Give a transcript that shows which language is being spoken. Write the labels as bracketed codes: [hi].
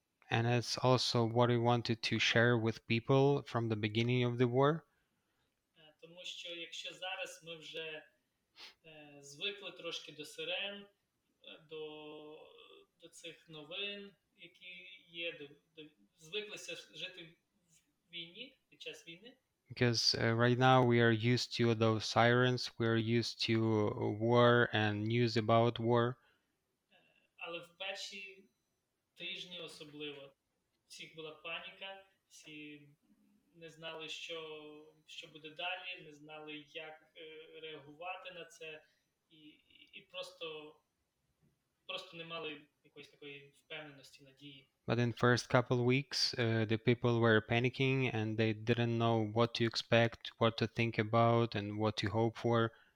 [en] And it's also what we wanted to share with people from the beginning of the war. [uk] Що якщо зараз ми вже звикли трошки до сирен, до цих новин, які є, до звиклися жити в війні, під час війни. [en] Because right now we are used to those sirens, we are used to war and news about war. [uk] Але перші тижні особливо. Всі була паніка, всі не знали, що буде далі, не знали, як реагувати на це, і просто не мали якоїсь такої впевненості, надії. [en] But in first couple of weeks, the people were panicking and they didn't know what to expect, what to think about and what to hope for.